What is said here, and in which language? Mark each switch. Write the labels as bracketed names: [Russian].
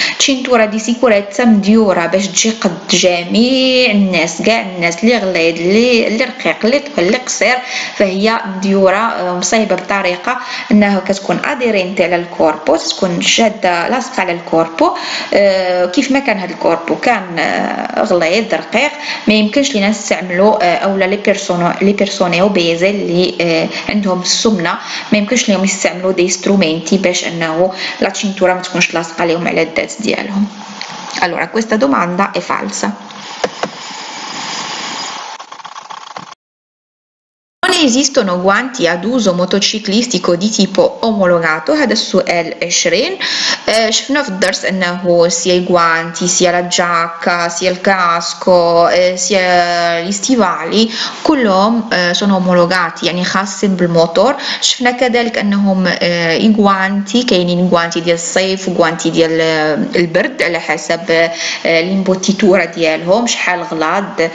[Arabic] تشينتورا دي سيكوريتسا مديوره باش تجي قد جميع الناس، كاع الناس اللي غليظ اللي رقيق اللي طويل اللي قصير، فهي مديوره مصايبه بطريقه انها كتكون اديرينتي على الكوربو، تتكون شاده لاصقه على الكوربو كيف ما كان هاد الكوربو كان غليظ رقيق. ما يمكنش لينا نستعملو اولا لي بيرسوني اوبيزي اللي عندهم السمنه، ما يمكنش ليهم يستعملوا دي سترومنتي باش انه لا cintura ما تكونش لاصقه لهم على الذات ديالهم. [Italian] allora questa domanda è falsa. Non esistono guanti ad uso motociclistico di tipo omologato. [Arabic] هذا السؤال 20. شفنا في الدرس انه سيا الجوانتي سيا لا جاكا سيا الكاسكو سيا الاستيفالي كلهم [Italian] sono omologati، [Arabic] يعني خاصين بالموتور. شفنا كذلك انهم الجوانتي كاينين جوانتي ديال الصيف وجوانتي ديال البرد على حسب الامبوتيتورا ديالهم شحال غلاظ.